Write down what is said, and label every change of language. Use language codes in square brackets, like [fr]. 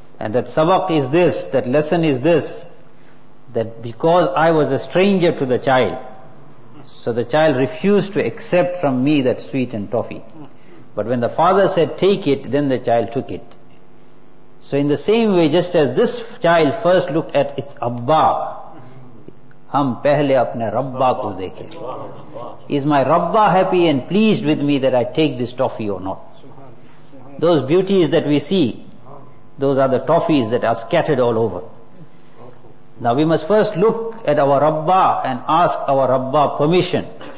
[en] And that sabak is this, that lesson is this, that because I was a stranger to the child, so the child refused to accept from me that sweet and toffee. But when the father said, take it, then the child took it. So in the same way, just as this child first looked at its Abba, [ur] ہم پہلے اپنے ربا کو دیکھیں. [en] Is my Rabba happy and pleased with me that I take this toffee or not? Those beauties that we see, those are the toffees that are scattered all over. Now we must first look at our Rabba and ask our Rabba permission.